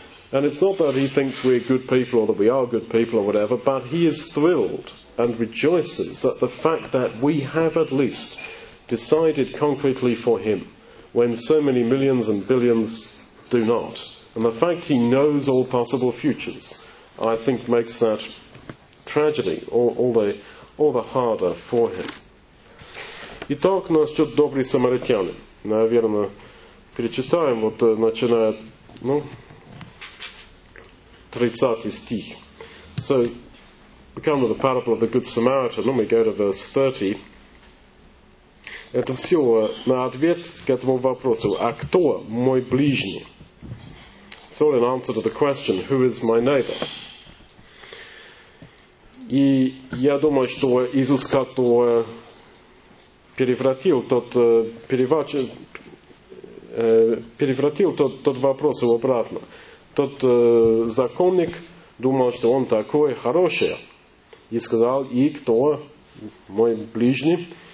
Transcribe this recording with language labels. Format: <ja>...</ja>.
<en>And it's not that he thinks we're good people or that we are good people or whatever, but he is thrilled and rejoices at the fact that we have at least decided concretely for him when so many millions and billions do not. And the fact he knows all possible futures, I think, makes that tragedy all the harder for him.</en> <ru>Итак, нас ждет добрый самаритянин. Наверное, перечитаем, вот начиная, ну, 30 стих.</ru> <en>So, we come to the parable of the good Samaritan, and we go to verse 30.</en> <ru>Это все на ответ к этому вопросу. А кто мой ближний?</ru> <en>It's all an answer to the question, who is my neighbor?</en> <ru>И я думаю, что Иисус как-то перевратил тот вопрос обратно. Тот законник думал, что он такой хороший, и сказал, и кто мой ближний?</ru>